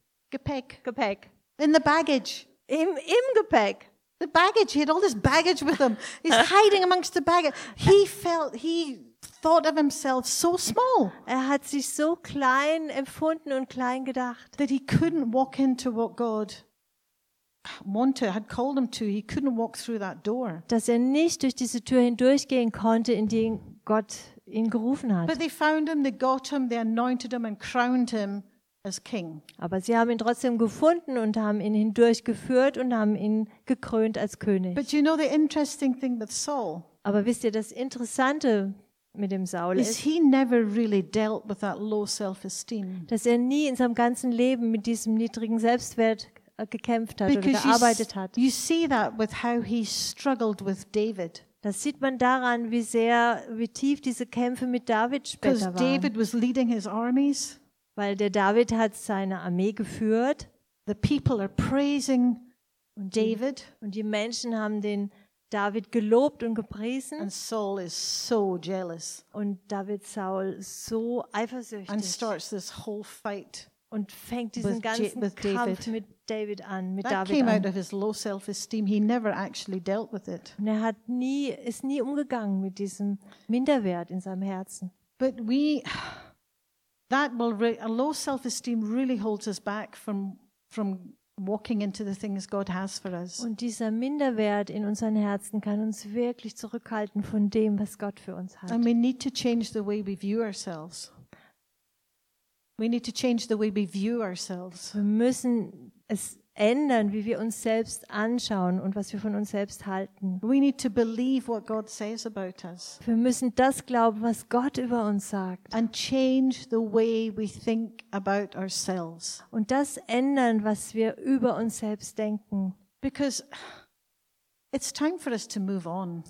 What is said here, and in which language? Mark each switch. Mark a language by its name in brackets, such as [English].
[German] Gepäck. Gepäck. [English] In the baggage. [German] Im Gepäck. [English] The baggage, he had all this baggage with him. He's hiding amongst the baggage. He thought of himself so small. [German] Er hat sich so klein empfunden und klein gedacht. [English] That he couldn't walk into what God wanted, had called him to. He couldn't walk through that door. [German] Dass er nicht durch diese Tür hindurchgehen konnte, in die Gott ihn gerufen hat. [English] But they found him, they got him, they anointed him and crowned him. [German] Aber sie haben ihn trotzdem gefunden und haben ihn hindurchgeführt und haben ihn gekrönt als König. [English] But you know the interesting thing with Saul? [German] Aber wisst ihr, das Interessante mit dem Saul ist, [English] he never really dealt with that low self-esteem. [German] Dass er nie in seinem ganzen Leben mit diesem niedrigen Selbstwert gekämpft hat oder gearbeitet hat. [English] You see that with how he struggled with David. [German] Das sieht man daran, wie tief diese Kämpfe mit David später waren. [English] Because David was leading his armies. [German] Weil der David hat seine Armee geführt. [English] The people are praising David. [German] Und die Menschen haben den David gelobt und gepriesen. [English] And Saul is so jealous. [German] Und David Saul so eifersüchtig. [English] And starts this whole fight [German] und fängt diesen ganzen Kampf mit David an, mit David an. [English] That came out of his low self-esteem. He never actually dealt with it. [German] Und er hat ist nie umgegangen mit diesem Minderwert in seinem Herzen. [English] But we that will a low self-esteem really holds us back from walking into the things God has for us. [German] Und dieser Minderwert in unseren Herzen kann uns wirklich zurückhalten von dem, was Gott für uns hat. [English] And we need to change the way we view ourselves. We need to change the way we view ourselves. [German] Wir müssen es ändern, wie wir uns selbst anschauen und was wir von uns selbst halten. [English] We need to believe what God says about us. [German] Wir müssen das glauben, was Gott über uns sagt. [English] And change the way we think about ourselves. [German] Und das ändern, was wir über uns selbst denken. [English] Because it's time for us to move on.